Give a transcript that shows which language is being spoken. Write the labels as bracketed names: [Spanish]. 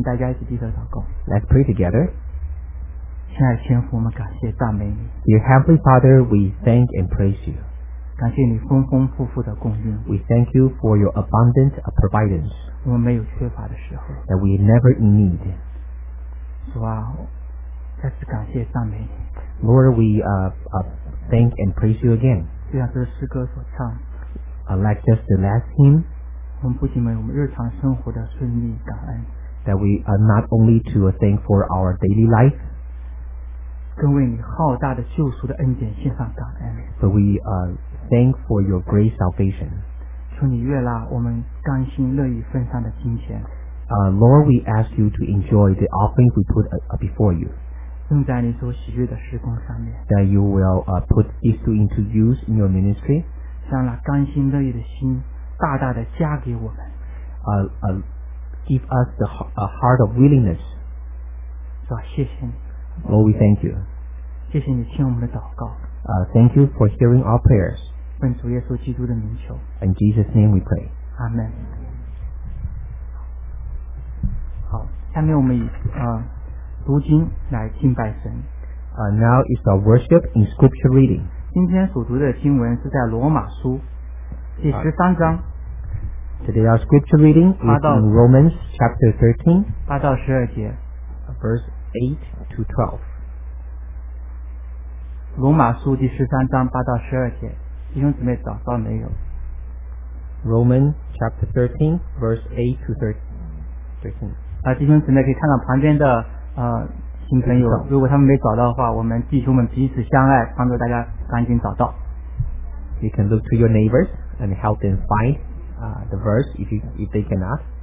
[Chinese] 我们大家一起低头祷告。 [English] Let's pray together. [Chinese] 亲爱的天父，我们感谢赞美你。 [English] Dear Heavenly Father, we thank and praise you. [Chinese] 感谢你丰丰富富的供应。 [English] We thank you for your abundant providence. [Chinese] 我们没有缺乏的时候。 [English] That we never in need. [Chinese] 主啊，再次感谢赞美。 [English] Lord, we thank and praise you again. [Chinese] 就像这诗歌所唱。 [English] Like just the last hymn. [Chinese] 我们不仅为我们日常生活的顺利感恩 [English] That we are not only to thank for our daily life [Chinese] 更为你浩大的救赎的恩典献上感恩 [English] But we thank for your great salvation [Chinese] 求你悦纳我们甘心乐意奉上的金钱 [English] Lord we ask you to enjoy the offering we put before you [Chinese] 用在你所喜悦的事工上面 [English] That you will put these two into use in your ministry [Chinese] 将那甘心乐意的心大大的加给我们 [English] give us the heart of willingness [Chinese] 主啊谢谢你 [English] Lord we thank you [Chinese] 谢谢你听我们的祷告 [English] thank you for hearing our prayers [Chinese] 奉主耶稣基督的名求 [English] in Jesus name we pray [Chinese] Amen 好下面我们以读经来敬拜神 [English] now is our worship in scripture reading [Chinese] 今天所读的经文是在罗马书第十三章 [English] Today our scripture reading is in Romans chapter 13 [Chinese] 八到十二节 [English] Verse 8 to 12 [Chinese] 罗马书第十三章八到十二节弟兄姊妹找到没有 [English] Romans chapter 13 Verse 8 to 13 [Chinese] 弟兄姊妹可以看到旁边的新朋友如果他们没找到的话我们弟兄们彼此相爱帮助大家赶紧找到 [English] You can look to your neighborsAnd help them find the verse if they cannot.